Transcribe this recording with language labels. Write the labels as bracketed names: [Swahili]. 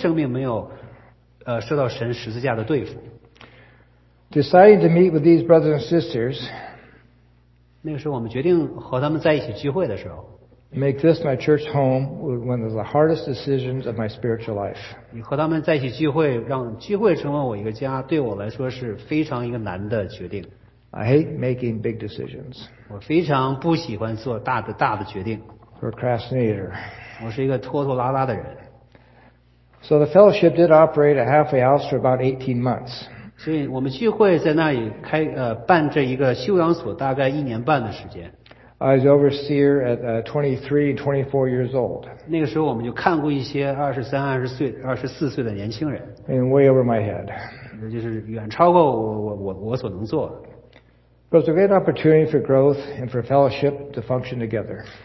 [Chinese] 但是他们都是非常奇妙的得救，但是像我一样，他们魂的生命没有受到神十字架的对付。 [English] Deciding to meet with these brothers and sisters, [Chinese] 那个时候我们决定和他们在一起聚会的时候, [English] make this my church home was one of the hardest decisions of my spiritual life. [Chinese] 和他们在一起聚会，让聚会成为我一个家，对我来说是非常一个难的决定。 [English] I hate making big decisions. [Chinese] 我非常不喜欢做大的决定。 [English] Procrastinator. [Chinese] 我是一个拖拖拉拉的人。 [English] So the fellowship did operate a halfway house for about 18 months. [Chinese] 所以我们聚会在那里办这一个修养所大概一年半的时间。 [English] I was overseer at 23, 24 years old. [Chinese] 那个时候我们就看过一些23、24岁的年轻人。 [English] And way over my head. [Chinese] 就是远超过我所能做的。 [English] But it was a great opportunity for growth and for fellowship to function together.